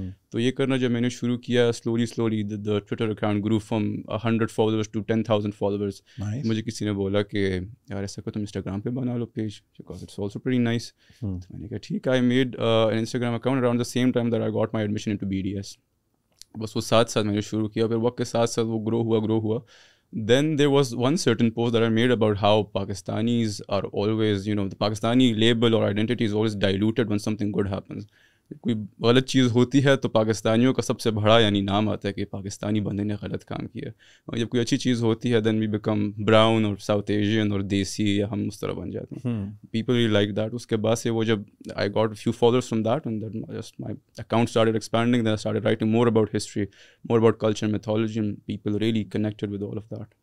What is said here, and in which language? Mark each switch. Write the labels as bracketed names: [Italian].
[Urdu] تو یہ کرنا جب میں نے شروع کیا, [English] Slowly slowly the Twitter account grow from 100 followers to 10,000 followers. [Urdu] مجھے کسی نے بولا کہ یار ایسا کہ تم انسٹاگرام پہ بنا لو page, [English] Because it's also very nice. [Urdu] تو میں نے کہا ٹھیک, [English] I made an Instagram account around the same time that I got my admission into B D S. [Urdu] بس وہ ساتھ ساتھ میں نے شروع کیا, پھر وقت کے ساتھ ساتھ وہ گرو ہوا گرو ہوا. [English] Then there was one certain post that I made about how Pakistanis are always, you know, the Pakistani label or identity is always diluted when something good happens. [Urdu] کوئی غلط چیز ہوتی ہے تو پاکستانیوں کا سب سے بڑا یعنی نام آتا ہے کہ پاکستانی بندے نے غلط کام کیا, اور جب کوئی اچھی چیز ہوتی ہے [English] then we become brown [Urdu] اور ساؤتھ ایشین اور دیسی, یا ہم اس طرح بن جاتے ہیں. [English] People really like that. [Urdu] اس کے بعد سے وہ جب [English] I got few followers from that and that just my account started expanding, then started writing more about history, more about culture, mythology, and people really connected with all of that.